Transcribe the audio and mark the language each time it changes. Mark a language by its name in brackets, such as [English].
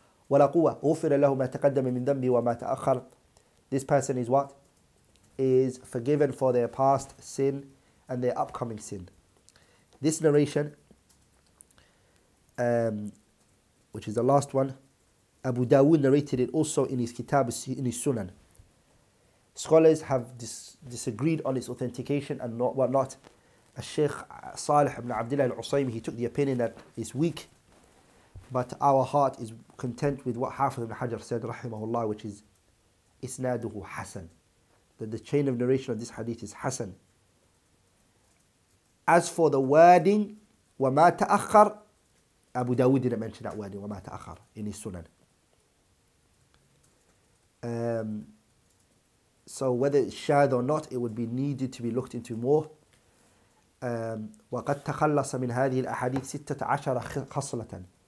[Arabic] ولا قوة, غفر له ما تقدم من ذنبه وما تأخر. [English] This person is what? Is forgiven for their past sin and their upcoming sin. This narration, which is the last one, Abu Dawood narrated it also in his Kitab, in his Sunan. Scholars have disagreed on its authentication and whatnot. Al-Sheikh Salih ibn Abdullah al-Usaymi, he took the opinion that it's weak, but our heart is content with what Hafiz ibn Hajar said, rahimahullah, which is [Arabic] إسناده حسن, [English] that the chain of narration of this hadith is حسن. As for the wording [Arabic] وما تأخر, [English] Abu Dawood didn't mention that wording وما تأخر in his Sunan. So whether it's shad or not, it would be needed to be looked into more. [Arabic] وقد تخلص من هذه الأحاديث 16 خصلة.